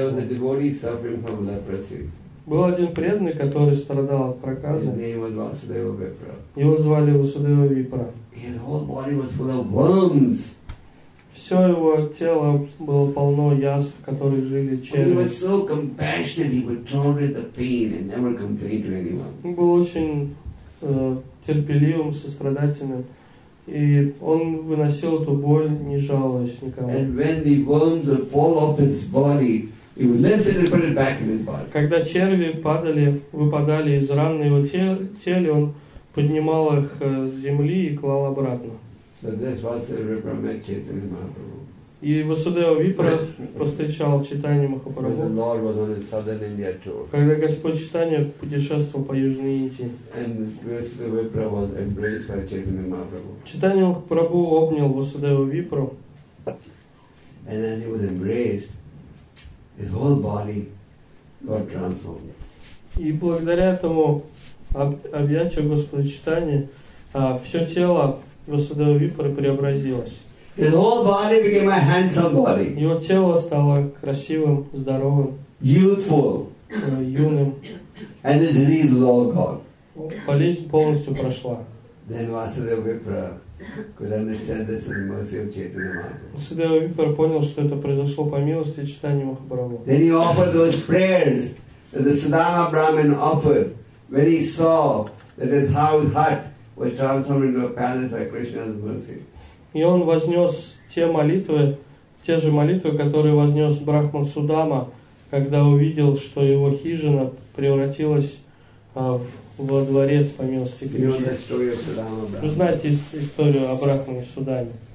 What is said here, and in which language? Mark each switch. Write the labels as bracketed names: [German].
[English] There was a devotee suffering from leprosy. [Russian] Был один преданный, который страдал от проказа. Его звали Васудева Випра. [English] His whole body was full of worms. [Russian] Все его тело было полно язв, в которых жили черви. [English] He was so compassionate, he would tolerate the pain and never complain to anyone. [Russian] Он был очень терпеливым, сострадательным. И он выносил эту боль, не жалуясь никому. [English] And when the worms would fall off his body, he would lift it and put it back in his body. [Russian] Когда черви падали, выпадали из ран на его теле, он поднимал их с земли и клал обратно. [English] So this was a reprimand Chaitanya Mahaprabhu. [Russian] И Васудева Випра повстречал Чайтанья Махапрабху. [English] When the Lord was on his southern India tour. [Russian] Когда Господь Чайтанья путешествовал по Южной Индии. [English] And Васудева Випра was embraced by Chaitanya Mahaprabhu. [Russian] Чайтанья Махапрабху обнял Васудеву Випру. [English] And as he was embraced, his whole body got transformed. [Russian] И благодаря этому объятию Господа Чайтанья все тело Васудевы Випры преобразилось. [English] His whole body became a handsome body. [Russian] Его тело стало красивым, здоровым, [English] youthful, [Russian] юным. [English] And the disease was all gone. [Russian] Болезнь полностью прошла. [English] Then Васудева Випра could understand this in the mercy of Chaitanya Mahaprabhu. [Russian] Васудева Випра понял, что это произошло по милости Чайтанья Махапрабху. [English] Then he offered those prayers that the Sudama Brahmin offered when he saw that his house hut was transformed into a palace by Krishna's mercy. [Russian] И он вознес те же молитвы, которые вознес Брахман Судама, когда увидел, что его хижина превратилась во дворец по милости Кришны. Вы знаете историю о Брахмане Судаме.